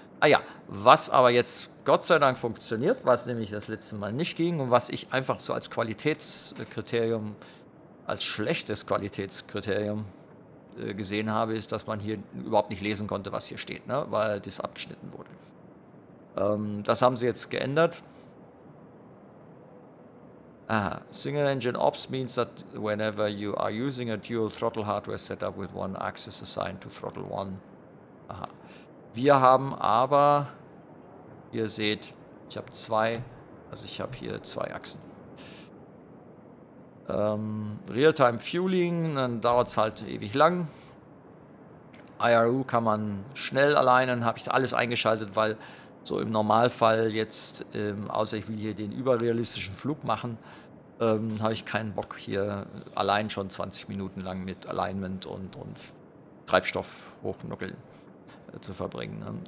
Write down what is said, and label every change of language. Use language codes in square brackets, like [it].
[de] Ah ja, was aber jetzt Gott sei Dank funktioniert, was nämlich das letzte Mal nicht ging und was ich einfach so als Qualitätskriterium, als schlechtes Qualitätskriterium gesehen habe, ist, dass man hier überhaupt nicht lesen konnte, was hier steht, ne? Weil das abgeschnitten wurde. Das haben sie jetzt geändert. Aha. [en] Single Engine Ops means that whenever you are using a dual throttle hardware setup with one axis assigned to throttle one. [de] Aha. Wir haben aber, ihr seht, ich habe hier zwei Achsen. Real-time Fueling, dann dauert es halt ewig lang. IRU kann man schnell alleine, dann habe ich alles eingeschaltet, weil so im Normalfall jetzt, außer ich will hier den überrealistischen Flug machen, habe ich keinen Bock hier allein schon 20 Minuten lang mit Alignment und Treibstoff hochnuckeln zu verbringen. Ne?